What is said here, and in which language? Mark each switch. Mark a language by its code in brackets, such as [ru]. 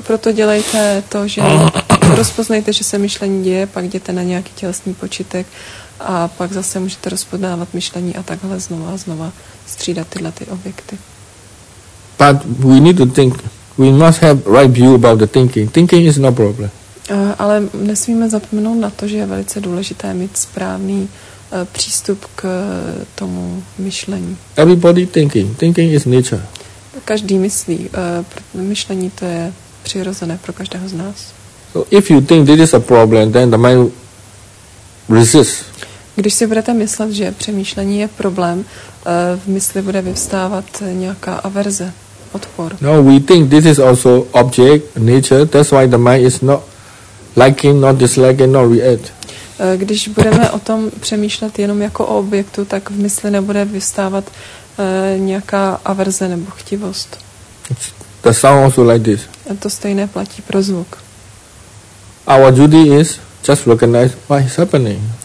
[cs] Proto dělejte to, že rozpoznejte, že se myšlení děje, pak jděte na nějaký tělesný počitek a pak zase můžete rozpoznávat myšlení a takhle znova a znova střídat tyhle ty objekty. [en] But we need to think. We must have right view about the thinking. Thinking is no problem. [cs] Ale nesmíme zapomenout na to, že je velice důležité mít správný přístup k tomu myšlení. [en] Everybody thinking. Thinking is nature. [cs] Každý myslí. Myšlení to je přirozené pro každého z nás. [en] So if you think this is a problem, then the mind resists. [cs] Když si budete myslet, že přemýšlení je problém, v mysli bude vyvstávat nějaká averze, odpor. [en] No, we think this is also object, nature, that's why the mind is not liking, not disliking, not react. [cs] Když budeme o tom přemýšlet jenom jako o objektu, tak v mysli nebude vyvstávat nějaká averze nebo chtivost. [en] The sound also like this. [cs] A to stejné platí pro zvuk. [en] Our duty is just recognize what is happening.